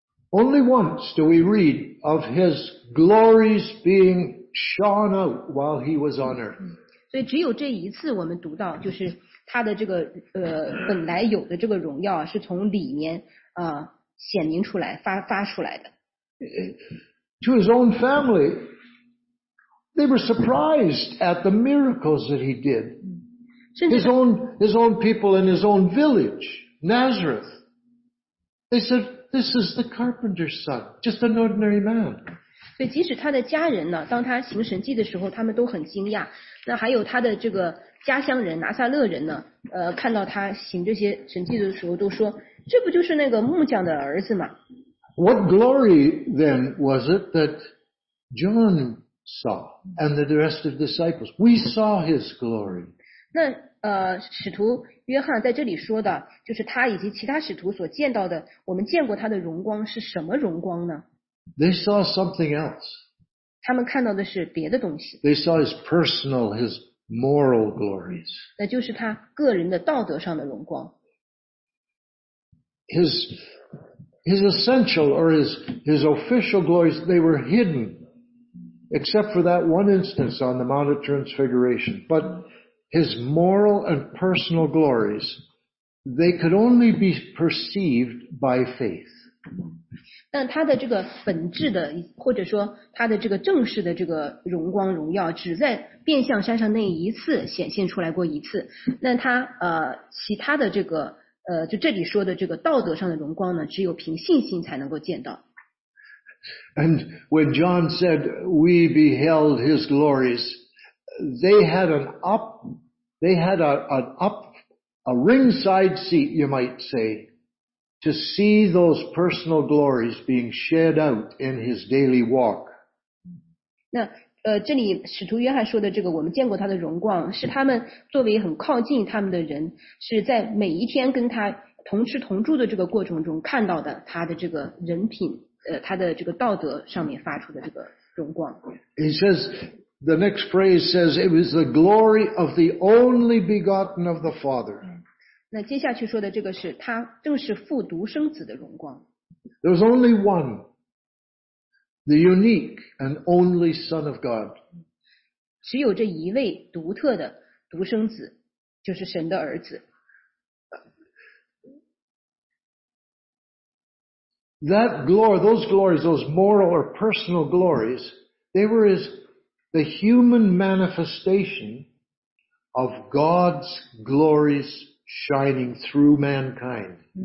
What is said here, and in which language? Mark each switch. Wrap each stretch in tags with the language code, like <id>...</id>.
<en>Only once do we read of his glories being shone out while he was on earth.</en> <zh>所以只有这一次我们读到，就是他的这个本来有的这个荣耀是从里面显明出来发出来的。</zh> <en>To his own family, they were surprised at the miracles that he did. His own people in his own village, Nazareth. They said, this is the carpenter's son, just an ordinary man.</en> <zh>所以即使他的家人呢，当他行神迹的时候，他们都很惊讶。那还有他的这个家乡人，拿撒勒人呢，看到他行这些神迹的时候，都说，这不就是那个木匠的儿子吗？</zh> <en>What glory then was it that John saw and the rest of the disciples? We saw his glory.</en> <zh>那使徒约翰在这里说的，就是他以及其他使徒所见到的，我们见过他的荣光是什么荣光呢？</zh> <en>They saw something else.</en> <zh>他们看到的是别的东西。</zh> <en>They saw his personal, his moral glories.</en> <zh>那就是他个人的道德上的荣光。</zh> <en>His essential or his official glories, they were hidden, except for that one instance on the Mount of Transfiguration, but. His moral and personal glories, they could only be perceived by faith.</en> <zh>但他的这个本质的，或者说他的这个正式的这个荣光荣耀，只在变相山上那一次显现出来过一次。那他其他的这个就这里说的这个道德上的荣光呢，只有凭信心才能够见到。</zh> <en>And when John said, "We beheld his glories." They had a ringside seat, you might say, to see those personal glories being shed out in his daily walk.</en> <zh>那这里使徒约翰说的这个，我们见过他的荣光，是他们作为很靠近他们的人，是在每一天跟他同吃同住的这个过程中看到的他的这个人品，他的这个道德上面发出的这个荣光。</zh> <en>He says. The next phrase says, it was the glory of the only begotten of the Father.</en> <zh>那接下去说的这个是他正是父独生子的荣光。</zh> <en>There was only one, the unique and only Son of God.</en> <zh>只有这一位独特的独生子，就是神的儿子。</zh> <en>That glory, those glories, those moral or personal glories, they were his. The human manifestation of God's glories shining through mankind.</en>